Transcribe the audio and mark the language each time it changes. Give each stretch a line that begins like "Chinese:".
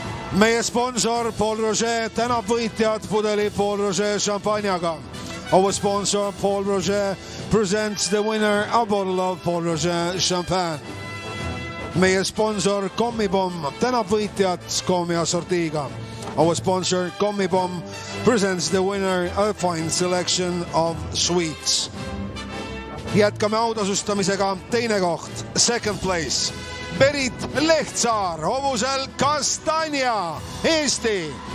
Estonian: Meie sponsor Paul Roger tänab võitjad pudeli Paul Roger šampanjaga.
English: Our sponsor Paul Roger presents the winner a bottle of Paul Roger champagne.
Estonian: Meie sponsor Kommibom tänab võitjad kommi assortiiga.
English: Our sponsor Kommibom presents the winner a fine selection of sweets.
Estonian: Jätkame autasustamisega teine koht,
English: second place.
Estonian: Berit Lehtsaar, hobusel Kastanja, Eesti.